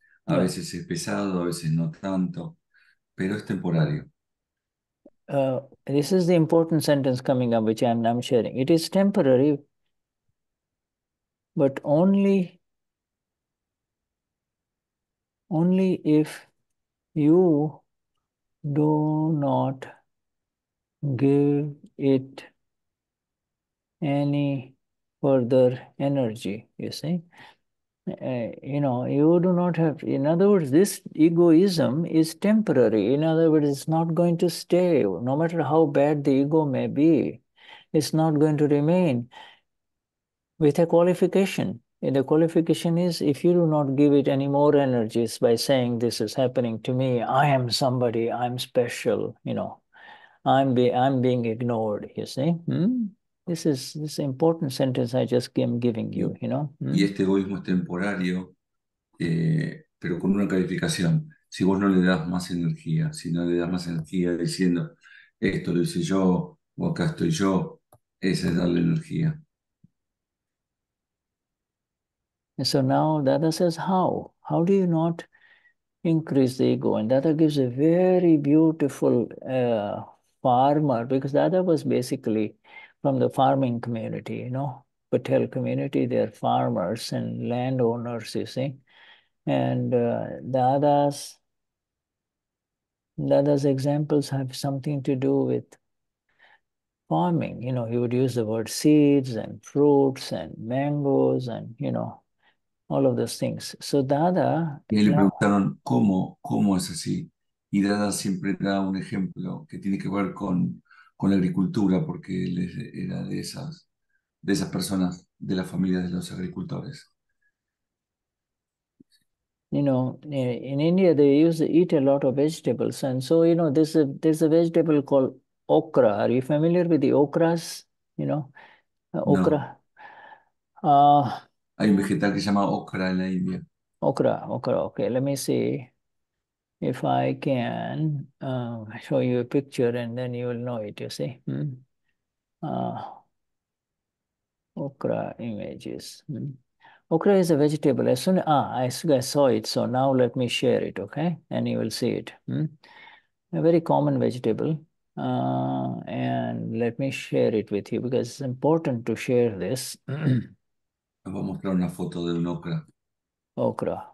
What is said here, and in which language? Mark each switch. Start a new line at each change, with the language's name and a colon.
Spanish: A veces es pesado, a veces no tanto, pero es temporario.
English: This is the important sentence coming up, which I'm sharing. It is temporary, but only if you do not give it any further energy, you see. You know, you do not have, in other words, this egoism is temporary. In other words, it's not going to stay, no matter how bad the ego may be. It's not going to remain with a qualification. And the qualification is, if you do not give it any more energies by saying, this is happening to me, I am somebody, I'm special, you know, I'm being ignored, you see. This important sentence I just came giving you, you know.
Spanish: Y este egoísmo es temporario, pero con una calificación. Si vos no le das más energía, si no le das más energía diciendo, esto lo hice yo, o acá estoy yo, esa es darle energía.
English: So now Dada says, how? How do you not increase the ego? And Dada gives a very beautiful farmer, because Dada was basically from the farming community, you know, Patel community, they're farmers and landowners, you see. And Dada's examples have something to do with farming. You know, he would use the word seeds and fruits and mangoes and, you know, all of those things. So Dada...
Spanish: Y le preguntaron, ¿cómo es así? Y Dada siempre da un ejemplo que tiene que ver con la agricultura, porque él era de esas personas, de las familias de los agricultores.
English: You know, in India they eat a lot of vegetables. And so, you know, there's a vegetable called okra. Are you familiar with the okras? You know, okra. No.
Spanish: Hay un vegetal que se llama okra en la India.
English: Okra. Okay, let me see if I can show you a picture and then you will know it, you see. Okra images. Okra is a vegetable. I saw it, so now let me share it, okay? And you will see it. A very common vegetable. And let me share it with you because it's important to share this.
Spanish: Voy a mostrar una foto de un okra.